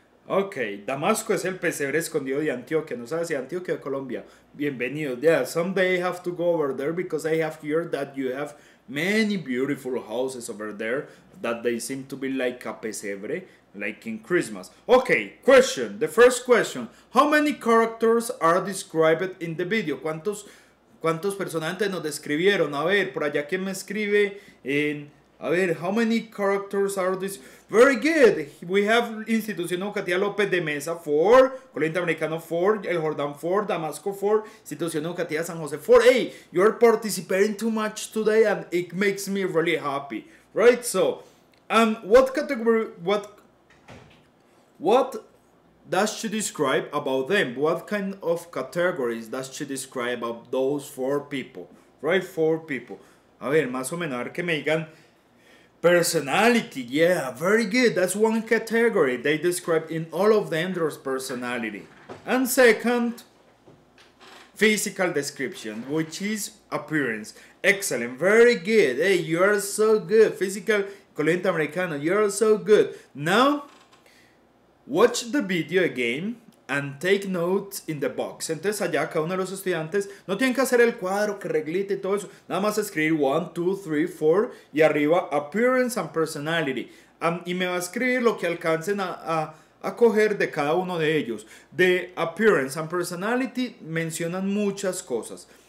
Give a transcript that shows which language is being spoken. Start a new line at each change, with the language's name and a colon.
Spanish: Ok, Damasco es el pesebre escondido de Antioquia. No sabes si Antioquia o Colombia. Bienvenido.
English: Yeah, someday I have to go over there because I have heard that you have many beautiful houses over there that they seem to be like a pesebre, like in Christmas. Ok, question. The first question. How many characters are described in the video?
Spanish: ¿Cuántos personajes nos describieron? A ver, por allá, ¿quién me escribe en...? A ver,
English: how many characters are this? Very good. We have Institución Educativa López de Mesa 4, Colegio Interamericano 4, El Jordán 4, Damasco 4, Institución Educativa San José 4. Hey, you're participating too much today and it makes me really happy. Right? So, what category, what does she describe about them? What kind of categories does she describe about those four people? Right? Four people.
Spanish: A ver, más o menos, a ver que me digan.
English: Personality, yeah, very good. That's one category. They describe in all of them their personality. And second, physical description, which is appearance. Excellent, very good. Hey, you are so good. Physical, Colegio Americano, you are so good. Now, watch the video again and take notes in the box.
Spanish: Entonces allá cada uno de los estudiantes no tienen que hacer el cuadro, que reglita y todo eso. Nada más escribir 1, 2, 3, 4 y arriba
English: appearance and personality.
Spanish: Y me va a escribir lo que alcancen a coger de cada uno de ellos. De
English: appearance and personality
Spanish: mencionan muchas cosas.